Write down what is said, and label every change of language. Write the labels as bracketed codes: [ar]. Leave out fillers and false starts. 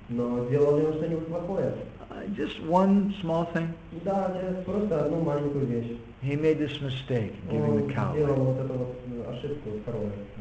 [ru] Но дело в том, что не плохое. [en] Just one small thing. [ru] Да, просто одну маленькую вещь. [en] He made this mistake giving the cow. [ru] Он сделал вот эту вот ошибку с коровой.